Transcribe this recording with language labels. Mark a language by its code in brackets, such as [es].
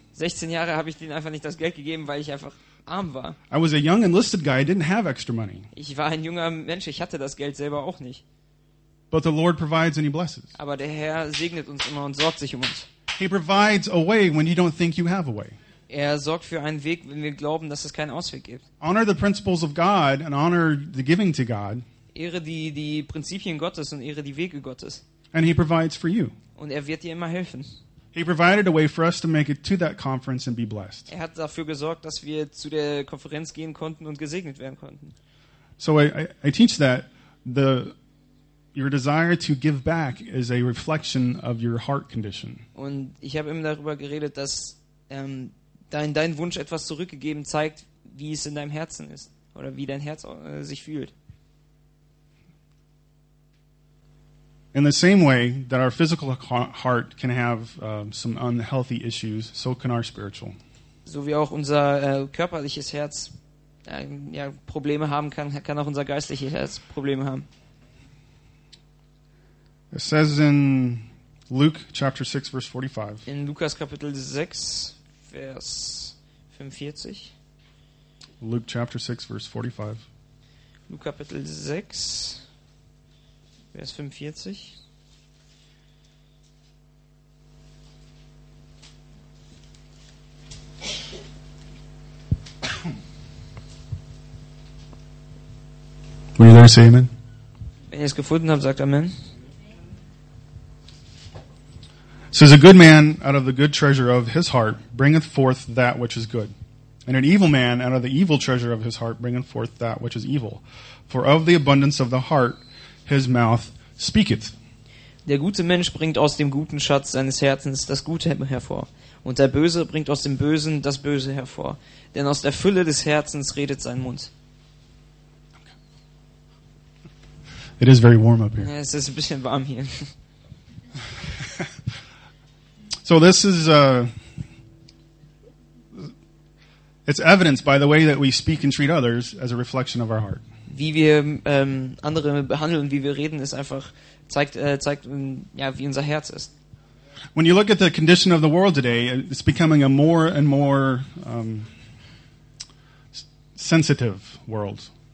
[de] 16 Jahre habe ich denen einfach nicht das Geld gegeben, weil ich einfach arm war. [en] I was a young enlisted guy, I didn't have extra money. [de] Ich war ein junger Mensch, ich hatte das Geld selber auch nicht. [en] But the Lord provides and he blesses. [de] Aber der Herr segnet uns immer und sorgt sich um uns. [en] He provides a way when you don't think you have a way. [de] Er sorgt für einen Weg, wenn wir glauben, dass es keinen Ausweg gibt. [en] Honor the principles of God and honor the giving to God. [de] Ehre die Prinzipien Gottes und ehre die Wege Gottes. [en] And he provides for you. [de] Und er wird dir immer helfen. [en] He provided a way for us to make it to that conference and be blessed. [de] Er hat dafür gesorgt, dass wir zu der Konferenz gehen konnten und gesegnet werden konnten. [en] So I teach that the your desire to give back is a reflection of your heart condition. [de] Und ich habe eben darüber geredet, dass dein Wunsch etwas zurückgegeben zeigt, wie es in deinem Herzen ist oder wie dein Herz sich fühlt. [en] In the same way that our physical heart can have some unhealthy issues, so can our spiritual. [de] So wie auch unser körperliches Herz Probleme haben kann, kann auch unser geistliches Herz Probleme haben. [en] It says in Luke chapter 6 verse 45. [de] In Lukas Kapitel 6 Vers 45. [en] Luke chapter 6 verse 45. [de] Luke Kapitel 6 Vers 45. [en] Will you there say amen? [de] Wenn ihr es gefunden habt, sagt amen. [en] So a good man out of the good treasure of his heart bringeth forth that which is good. And an evil man out of the evil treasure of his heart bringeth forth that which is evil. For of the abundance of the heart his mouth speaketh. [de] Der gute Mensch bringt aus dem guten Schatz seines Herzens das Gute hervor. Und der Böse bringt aus dem Bösen das Böse hervor. Denn aus der Fülle des Herzens redet sein Mund. [en] It is very warm up here. [de] Ja, es ist ein bisschen warm hier. [en] So this is it's evidenced by the way that we speak and treat others as a reflection of our heart. [de] Wie wir andere behandeln, wie wir reden, ist einfach zeigt wie unser Herz ist. [en] When you look at the condition of the world today, it's becoming a more and more sensitive world.